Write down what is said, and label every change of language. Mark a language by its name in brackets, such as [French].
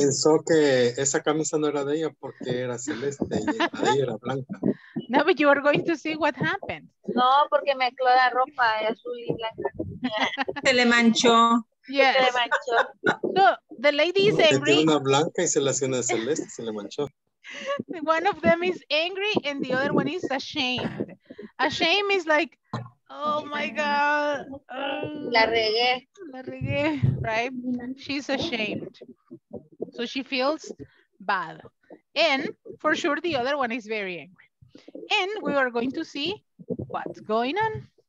[Spanish] Pensó que esa camisa no era de ella porque era celeste y la de ella era blanca. [English] No, but you are going to see what happened. [Spanish] No, porque mezcló la ropa azul y blanca. Se le manchó. [English] Yes. [Spanish] Se le manchó. [English] So, the lady is angry. [Spanish] Una blanca y se la hacía celeste, se le manchó. [English] One of them is angry and the other one is ashamed. Ashamed is like, oh my God. [Spanish] La regué. La regué, [English] right? She's ashamed. So she feels bad. And for sure, the other one is very angry. And we are going to see what's going on.